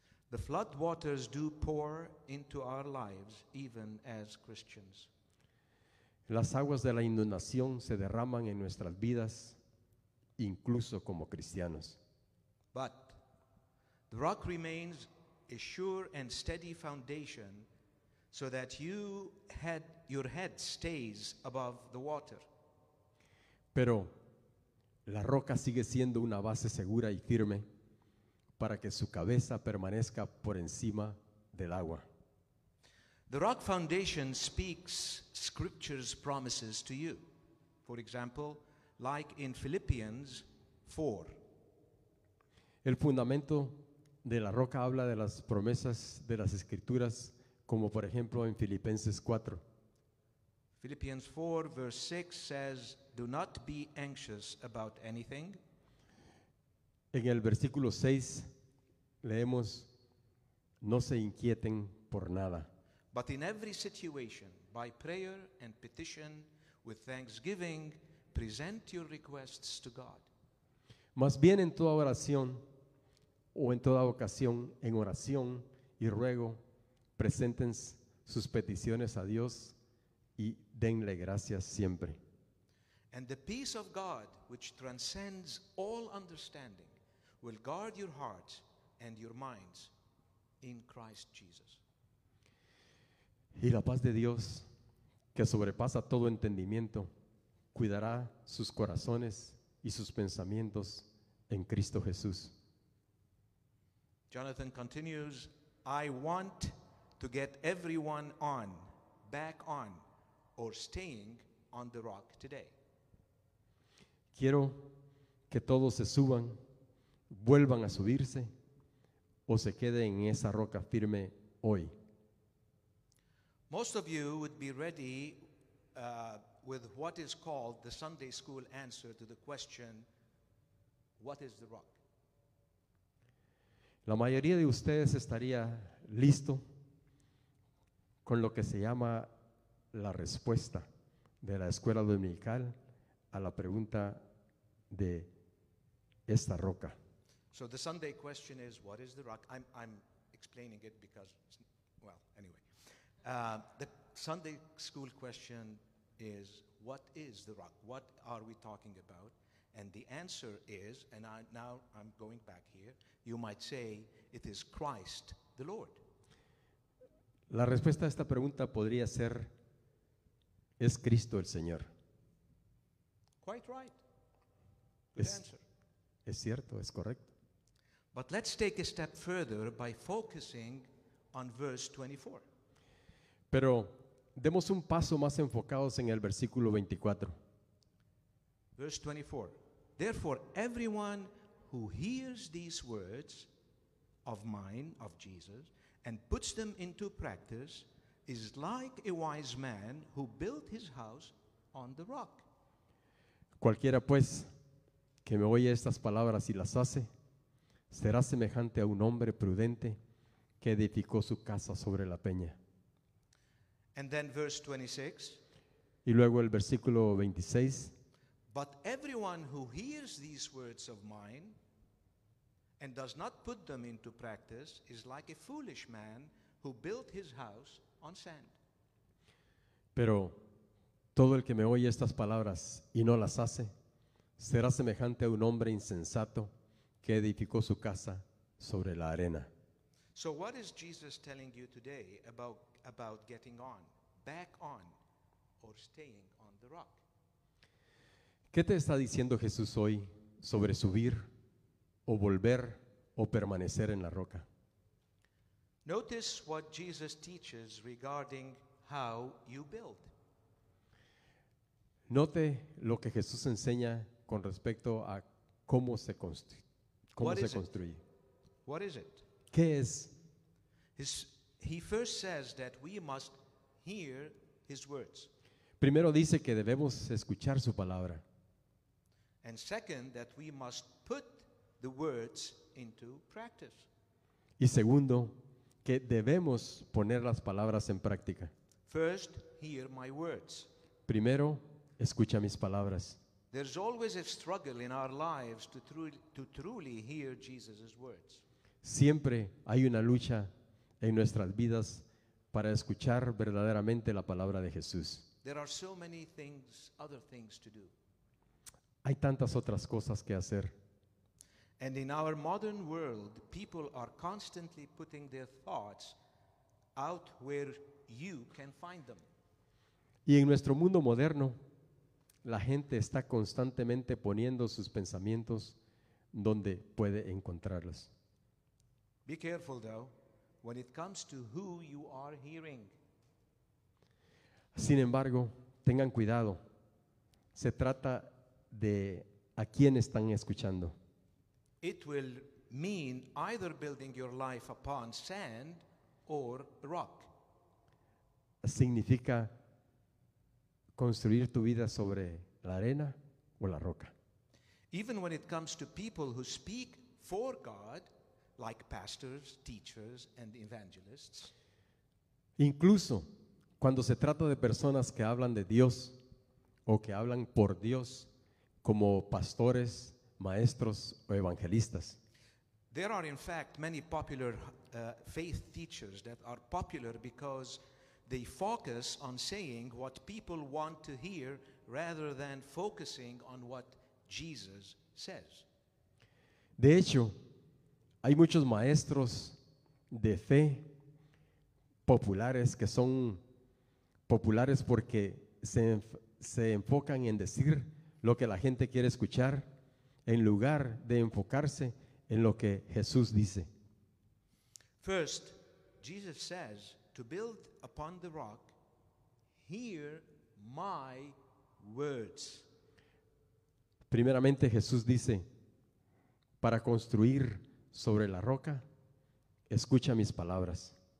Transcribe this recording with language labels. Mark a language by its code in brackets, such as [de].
[en] The flood waters do pour into our lives even as Christians. [es] Las aguas de la inundación se derraman en nuestras vidas incluso como cristianos. [en] But the rock remains a sure and steady foundation so that your head stays above the water. [es] Pero la roca sigue siendo una base segura y firme para que su cabeza permanezca por encima del agua. [en] The rock foundation speaks Scripture's promises to you. For example, like in Philippians 4. [es] El fundamento de la roca habla de las promesas de las Escrituras, como por ejemplo en Filipenses 4. [en] Philippians 4, verse 6 says, "Do not be anxious about anything." [es] En el versículo 6 leemos, "No se inquieten por nada." [en] But in every situation, by prayer and petition, with thanksgiving, present your requests to God. [es] Más bien en toda oración, o en toda ocasión, en oración y ruego, presenten sus peticiones a Dios y denle gracias siempre. [en] And the peace of God, which transcends all understanding, will guard your hearts and your minds in Christ Jesus. [es] Y la paz de Dios, que sobrepasa todo entendimiento, cuidará sus corazones y sus pensamientos en Cristo Jesús. [en] Jonathan continues, "I want to get everyone on, back on, or staying on the rock today." [es] Quiero que todos se suban, vuelvan a subirse, o se queden en esa roca firme hoy. [en] Most of you would be ready with what is called the Sunday school answer to the question, "What is the rock?" [es] La mayoría de ustedes estaría listo con lo que se llama la respuesta de la escuela dominical a la pregunta de esta roca. [en] So the Sunday question is, what is the rock? I'm explaining it because, well, anyway. The Sunday school question is, what is the rock? What are we talking about? And the answer is, and I'm going back here, you might say, it is Christ the Lord. [es] La respuesta a esta pregunta podría ser, es Cristo el Señor. [en] Quite right. Good answer. [es] Es cierto, es correcto. [en] But let's take a step further by focusing on verse 24. [es] Pero demos un paso más enfocados en el versículo 24. [en] Verse 24. "Therefore, everyone who hears these words of mine," of Jesus, "and puts them into practice is like a wise man who built his house on the rock." [es] Cualquiera pues que me oye estas palabras y las hace, será semejante a un hombre prudente que edificó su casa sobre la peña. [en] And then verse 26. [es] Y luego el versículo 26. [en] But everyone who hears these words of mine and does not put them into practice is like a foolish man who built his house on sand. [es] Pero todo el que me oye estas palabras y no las hace, será semejante a un hombre insensato que edificó su casa sobre la arena. [en] So what is Jesus telling you today about getting on, back on, or staying on the rock? [es] ¿Qué te está diciendo Jesús hoy sobre subir o volver o permanecer en la roca? [en] Notice what Jesus teaches regarding how you build. [es] Note lo que Jesús enseña con respecto a cómo se construye. [en] What is it? [es] ¿Qué es? [en] He first says that we must hear his words. [es] Primero dice que debemos escuchar su palabra. [en] And second, that we must put the words into practice. [es] Y segundo, que debemos poner las palabras en práctica. [en] First, hear my words. [es] Primero, escucha mis palabras. [en] There's always a struggle in our lives to truly hear Jesus' words. [es] Siempre hay una lucha en nuestras vidas para escuchar verdaderamente la palabra de Jesús. [en] There are so many things, other things to do. [es] Hay tantas otras cosas que hacer. [en] And in our modern world, people are constantly putting their thoughts out where you can find them. [es] Y en nuestro mundo moderno, la gente está constantemente poniendo sus pensamientos donde puede encontrarlos. [en] Be careful though, when it comes to who you are hearing. [es] Sin embargo, tengan cuidado. Se trata de a quién están escuchando. [en] It will mean either building your life upon sand or rock. [es] Significa construir tu vida sobre la arena o la roca. [en] Even when it comes to people who speak for God, like pastors, teachers, and evangelists. [es] Incluso cuando se trata de personas que hablan de Dios o que hablan por Dios, como pastores, maestros o evangelistas. [en] There are in fact many popular faith teachers that are popular because they focus on saying what people want to hear rather than focusing on what Jesus says. [es] De hecho, hay muchos maestros de fe populares que son populares porque se enfocan en decir lo que la gente quiere escuchar en lugar de enfocarse en lo que Jesús dice. [en] First, Jesus says to build upon the rock, hear my words. [es] Primeramente Jesús dice, para construir sobre la roca, escucha mis palabras.